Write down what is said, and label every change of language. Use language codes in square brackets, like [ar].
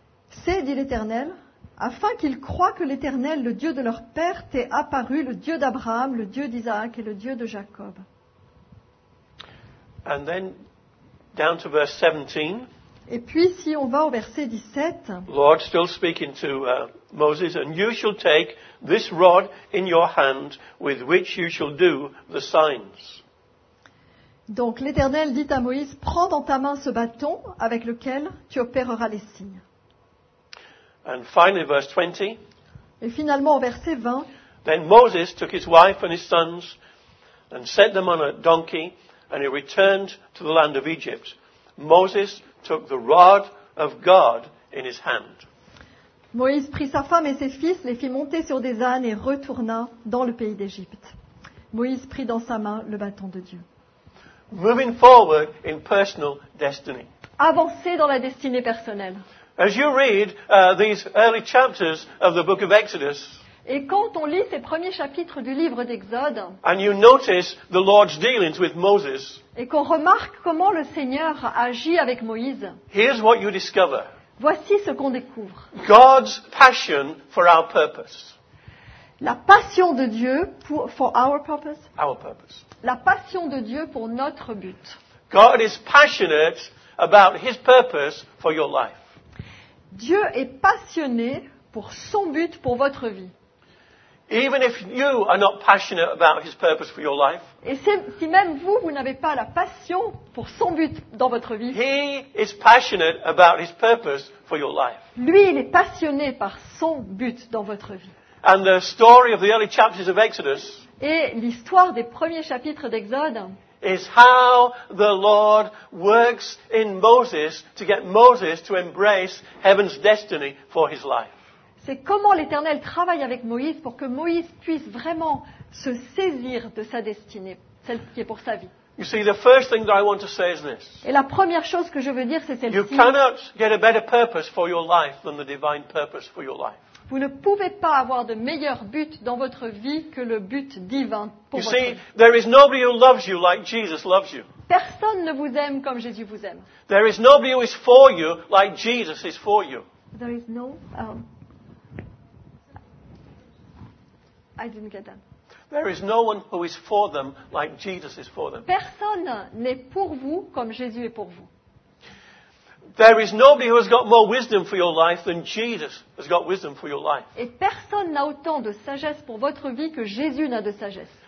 [fr] C'est, dit l'Éternel, afin qu'ils croient que l'Éternel, le Dieu de leur père, t'est apparu, le Dieu d'Abraham, le Dieu d'Isaac et le Dieu de Jacob. [en] And then down to verse 17. [fr] Et puis si on va au verset 17. [en] Lord still speaking to Moses, and you shall take this rod in your hand with which you shall do the signs. [fr] Donc l'Éternel dit à Moïse, prends dans ta main ce bâton avec lequel tu opéreras les signes. [en] And finally verse 20. [fr] Et finalement au verset 20. [en] Then Moses took his wife and his sons and set them on a donkey. And he returned to the land of Egypt. Moses took the rod of God in his hand. [fr] Moïse prit sa femme et ses fils, les fit monter sur des ânes et retourna dans le pays d'Égypte. Moïse prit dans sa main le bâton de Dieu. [en] Moving forward in personal destiny. [fr] Avancer dans la destinée personnelle. [en] As you read these early chapters of the book of Exodus. [fr] Et quand on lit ces premiers chapitres du livre d'Exode, [en] and you notice the Lord's dealings with Moses, [fr] et qu'on remarque comment le Seigneur agit avec Moïse, [en] here's what you discover. [fr] Voici ce qu'on découvre. [en] God's passion for our purpose. [fr] La passion de Dieu pour [en] for our purpose. Our purpose. [fr] La passion de Dieu pour notre but. [en] God is passionate about his purpose for your life. [fr] Dieu est passionné pour son but pour votre vie. [en] Even if you are not passionate about his purpose for your life. [fr] Et si même vous n'avez pas la passion pour son but dans votre vie. [en] He is passionate about his purpose for your life. [fr] Lui, il est passionné par son but dans votre vie. [en] And the story of the early chapters of Exodus. [fr] Et l'histoire des premiers chapitres d'Exode. [en] Is how the Lord works in Moses to get Moses to embrace heaven's destiny for his life. [fr] C'est comment l'Éternel travaille avec Moïse pour que Moïse puisse vraiment se saisir de sa destinée, celle qui est pour sa vie. [en] You see, the first thing that I want to say is this. [fr] Et la première chose que je veux dire, c'est celle-ci. [en] You cannot get a better purpose for your life than the divine purpose for your life. [fr] Vous ne pouvez pas avoir de meilleur but dans votre vie que le but divin pour votre vie. [en] You see, there is nobody who loves you like Jesus loves you. [fr] Personne ne vous aime comme Jésus vous aime. [en] There is nobody who is for you like Jesus is for you. There is no I didn't get that. There is no one who is for them like Jesus is for them. [fr] Personne n'est pour vous comme Jésus est pour vous. [en] There is nobody who has got more wisdom for your life than Jesus has got wisdom for your life. [fr] Et personne n'a autant de sagesse pour votre vie que Jésus n'a de sagesse.